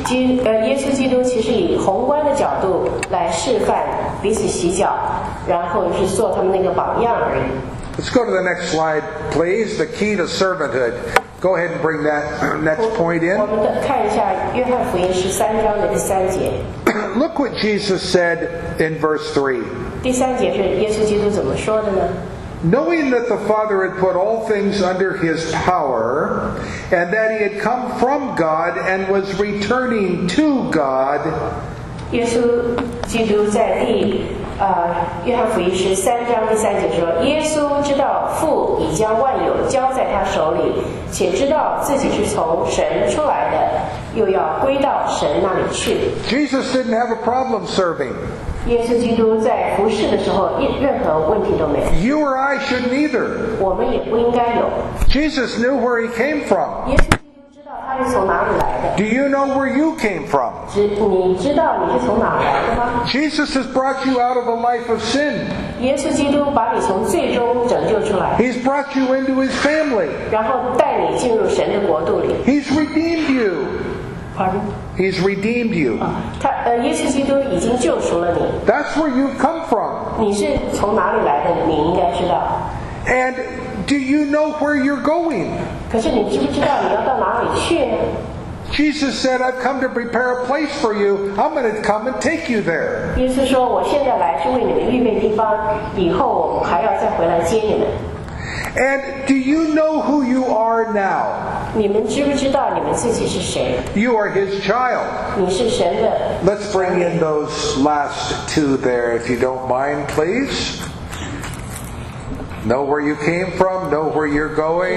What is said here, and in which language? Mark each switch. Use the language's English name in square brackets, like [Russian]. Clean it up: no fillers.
[Chinese] 耶稣基督其实以宏观的角度来示范彼此洗脚，然后是做他们那个榜样而已。 [English] Let's go to the next slide, please. The key to servanthood. Go ahead and bring that next point in. [Chinese] 我们看一下约翰福音十三章的第三节。 [English] Look what Jesus said in verse 3. [Chinese] 第三节是耶稣基督怎么说的呢？ [English] Knowing that the Father had put all things under his power, and that he had come from God and was returning to God. [Chinese] 耶稣基督在第约翰福音十三章第三节说，耶稣知道父已将万有交在他手里，且知道自己是从神出来的，又要归到神那里去。 [English] Jesus didn't have a problem serving. [Chinese] 耶稣基督在服事的时候，任何问题都没有。 [English] You or I shouldn't either. [Chinese] 我们也不应该有。 [English] Jesus knew where he came from. [Chinese] 耶稣基督知道他是从哪里来的。 [English] Do you know where you came from? [Chinese] 你知道你是从哪来的吗？ [English] Jesus has brought you out of a life of sin. [Chinese] 耶稣基督把你从罪中拯救出来。 [English] He's brought you into his family. [Chinese] 然后带你进入神的国度里。 [English] He's redeemed you. Pardon? He's redeemed you. [Chinese] 他耶稣基督已经救赎了你。 [English] That's where you've come from. [Chinese] 你是从哪里来的？你应该知道。 [English] And do you know where you're going? [Chinese] 可是你知不知道你要到哪里去？ [English] Jesus said, "I've come to prepare a place for you. I'm going to come and take you there." [Chinese] 耶稣说，我现在来是为你们预备地方，以后我还要再回来接你们。 [English] And do you know who you are now? [Chinese] 你们知不知道你们自己是谁？ [English] You are his child. [Chinese] 你是神的。 [English] Let's bring in those last two there, if you don't mind, please. Know where you came from, know where you're going.